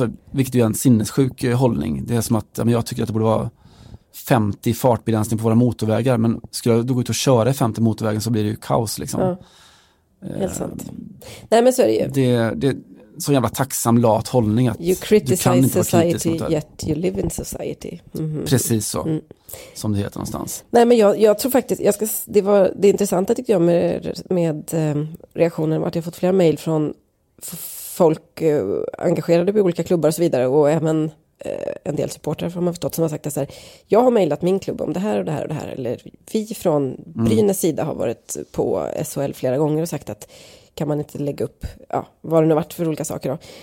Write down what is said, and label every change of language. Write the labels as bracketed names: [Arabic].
[Swedish] Vilket är en sinnessjuk hållning. Det är som att jag tycker att det borde vara 50 fartbegränsning på våra motorvägar, men skulle du gå ut och köra i 50 motorvägen så blir det ju kaos. Liksom. Ja. Helt sant. Nej, men så är det ju. Det är så jävla tacksam, lat hållning. Att [English] you criticize society, yet you live in society. [Swedish] Mm-hmm. Precis så. Mm. Som det heter någonstans. Nej, men jag tror faktiskt, det intressanta tycker jag med reaktionen var att jag fått flera mejl från folk engagerade på olika klubbar och så vidare, och även en del supportrar har man förstått, som har sagt att så här, jag har mejlat min klubb om det här och det här och det här, eller vi från Brynäs sida har varit på SHL flera gånger och sagt att kan man inte lägga upp vad det nu har varit för olika saker då.